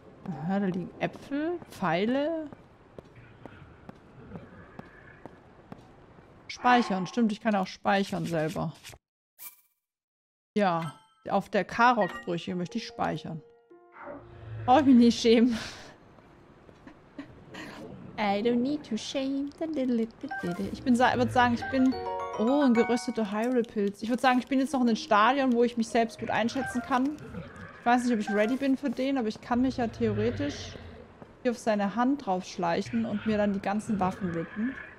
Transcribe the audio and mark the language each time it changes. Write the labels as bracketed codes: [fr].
[de] Aha, da liegen Äpfel, Pfeile. Speichern, stimmt, ich kann auch speichern selber. Ja, auf der Karok-Brüche möchte ich speichern. Brauche ich mich nicht schämen. [en] I don't need to shame the little. [de] Ich bin, würde sagen, ich bin. Oh, ein gerösteter Hyrule-Pilz. Ich würde sagen, ich bin jetzt noch in einem Stadion, wo ich mich selbst gut einschätzen kann. Ich weiß nicht, ob ich ready bin für den, aber ich kann mich ja theoretisch hier auf seine Hand drauf schleichen und mir dann die ganzen Waffen rippen.